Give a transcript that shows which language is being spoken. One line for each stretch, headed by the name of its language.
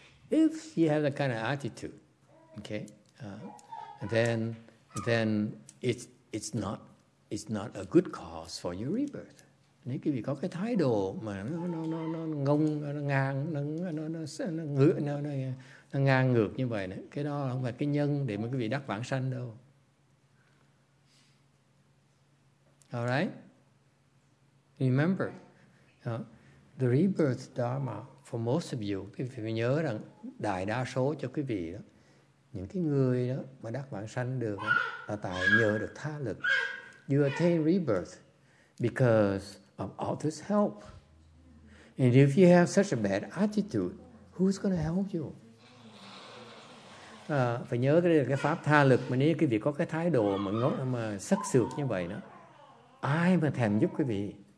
English: If you have that kind of attitude, okay, then it's not a good cause for your rebirth.
Vietnamese: Nếu quý vị có cái thái độ mà nó ngang ngược như vậy này, cái đó không phải cái nhân để mà quý vị đắc vãng sanh đâu.
English: Alright, remember, the rebirth dharma for most of you.
Vietnamese: Quý vị phải nhớ rằng đại đa số cho quý vị đó, những cái người đó mà đắc vãng sanh được đó, là tại nhờ được tha lực.
English: You attain rebirth because of all this help. And if you have such a bad attitude, who's going to help you?
Vietnamese: Phải nhớ cái pháp tha lực, mà nếu quý vị có cái thái độ mà sắc sược như vậy đó, ai mà thèm giúp quý vị?